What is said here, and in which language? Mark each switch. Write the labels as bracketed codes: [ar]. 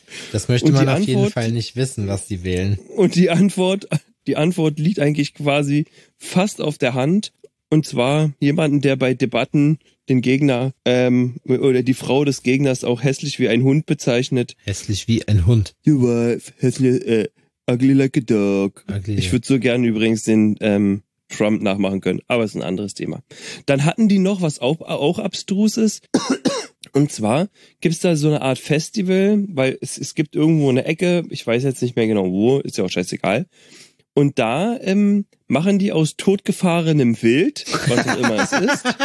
[de] Das möchte man auf jeden Fall nicht wissen, was die wählen. Und die Antwort liegt eigentlich quasi fast auf der Hand. Und zwar jemanden, der bei Debatten den Gegner oder die Frau des Gegners auch hässlich wie ein Hund bezeichnet. Hässlich wie ein Hund. [en] Your wife, ugly like a dog. Ugly. [de] Ich würde so gerne übrigens den Trump nachmachen können, aber ist ein anderes Thema. Dann hatten die noch was auch Abstruses. Und zwar gibt's da so eine Art Festival, weil es gibt irgendwo eine Ecke, ich weiß jetzt nicht mehr genau wo, ist ja auch scheißegal. Und da machen die aus totgefahrenem Wild, was auch immer es ist.